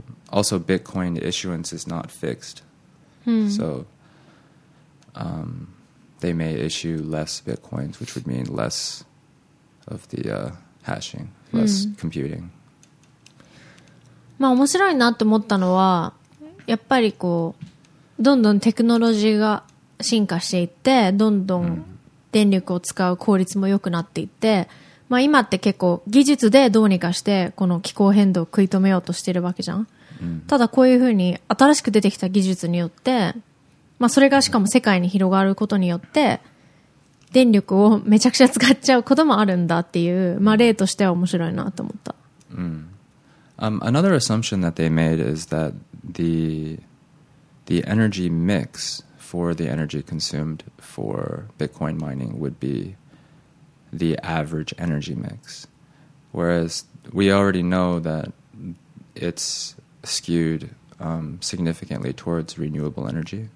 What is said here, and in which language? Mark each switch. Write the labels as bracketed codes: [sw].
[en] Also, Bitcoin issuance is not fixed. So they may issue less Bitcoins, which would mean less of the hashing, less computing. [ja] まあ面白いなと思ったのは、やっぱりこうどんどんテクノロジーが進化していって、どんどん電力を使う効率も良くなっていって、まあ今って結構技術でどうにかしてこの気候変動を食い止めようとしてるわけじゃん。ただこういうふうに新しく出てきた技術によって、まあそれがしかも世界に広がることによって、電力をめちゃくちゃ使っちゃうこともあるんだっていう、まあ例としては面白いなと思った。 [en] Another assumption that they made is that the energy mix for the energy consumed for Bitcoin mining would be the average energy mix. Whereas we already know that it's skewed significantly towards renewable energy.